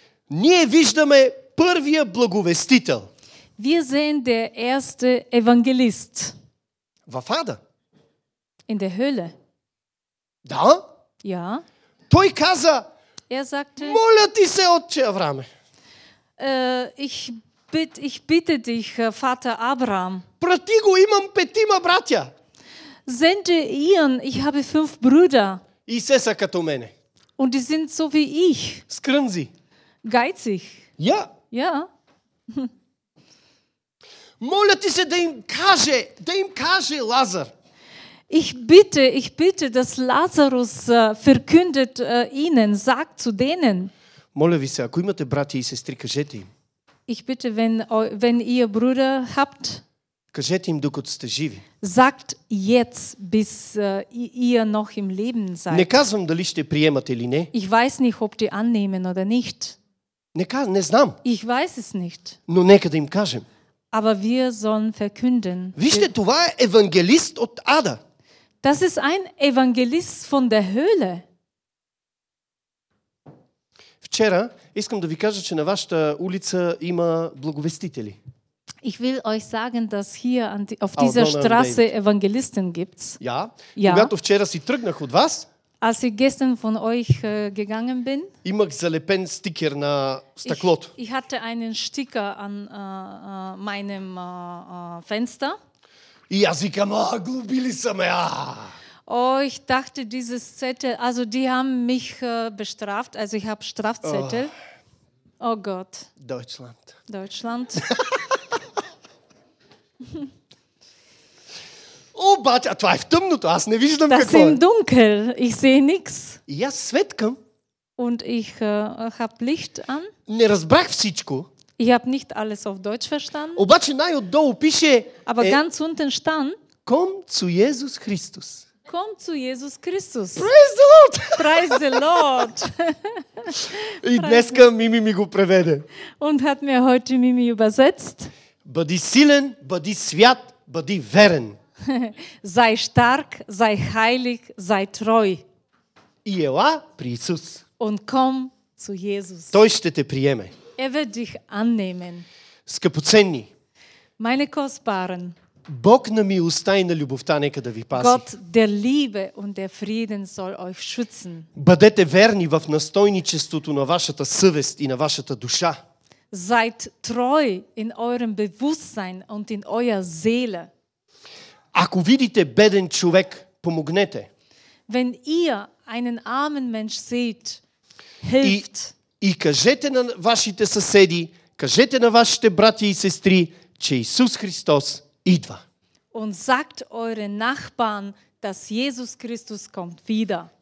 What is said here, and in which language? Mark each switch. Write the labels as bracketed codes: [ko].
[bg] Ние виждаме първия благовестител. [de] Wir sehen der erste Evangelist. [bg] В Ада. [de] In der Hölle. [bg] Да? [de] Ja. [bg] Той каза: [de] Er sagte: [bg] Моля ти се, отче Авраме. [de] Ich bitte dich, Vater Abraham. [bg] Прати го, имам петима братя. [de] Sende ihn, ich habe fünf Brüder. [bg] И се са като мене. [de] Und die sind so wie ich. [bg] Скрънзи. [de] Geizig. Ja. Ja. [bg] Моля ти се да им каже, Лазар. [de] Ich bitte, dass Lazarus verkündet ihnen, sagt zu denen. [bg] Моля ви се, ако имате брати и сестри, кажете им. [de] Ich bitte, wenn ihr Brüder habt, [bg] кажете им, докато сте живи. [de] Sagt jetzt, bis ihr noch im Leben seid. [bg] Не казвам дали ще приемат или не. [de] Ich weiß nicht, ob die annehmen oder nicht. [bg] Не знам. [de] Ich weiß es nicht. [bg] Но нека да им кажем. [de] Aber wir sollen verkünden. [bg] Вижте, това е евангелист от Ада. [de] Das ist ein Evangelist von der Höhle. [bg] Вчера искам да ви кажа, че на вашата улица има благовестители. [de] Ich will euch sagen, dass hier auf dieser Straße Evangelisten gibt's. Ja. Ja. [bg] Когато вчера си тръгнах от вас, [de] Als ich gestern von euch gegangen bin, [bg] имах залепен стикер на стъклото. [de] Ich hatte einen Sticker an meinem Fenster. [bg] И аз викам, глубили са ме. [de] Oh, ich dachte, dieses Zettel, also die haben mich bestraft, also ich habe Strafzettel. Oh Gott. Deutschland. Deutschland. [bg] Обаче, а това е в тъмното, аз не виждам [de] das [bg] какво е. [de] Das im Dunkel, ich sehe nichts. [bg] И аз светкам. [de] Und ich hab Licht an. [bg] Не разбрах всичко. [de] Ich hab nicht alles auf Deutsch verstanden. [bg] Обаче най-отдолу пише. [de] Aber ganz unten stand. Komm zu Jesus Christus. Komm zu Jesus Christus. [en] Praise the Lord. Praise the Lord. [bg] И днеска Мими ми го преведе. [de] Und hat mir heute Mimi übersetzt. [bg] Бъди силен, бъди свят, бъди верен. [de] Sei stark, sei heilig, sei treu. [bg] И ела при Исус. [de] Und komm zu Jesus. [bg] Той ще те приеме. [de] Er wird dich annehmen. [bg] Скъпоценни. [de] Meine kostbaren. [bg] Бог на милостта и на любовта нека да ви пази. [de] Gott der Liebe und der Frieden soll euch schützen. [bg] Бъдете верни в настойничеството на вашата съвест и на вашата душа. [de] Seid treu in eurem Bewusstsein und in eurer Seele. [bg] Ако видите беден човек, помогнете. [de] Wenn ihr einen armen Mensch seht, hilft. [bg] И кажете на вашите съседи, кажете на вашите брати и сестри, че Исус Христос идва. [de] Und sagt eure Nachbarn, dass Jesus Christus kommt wieder.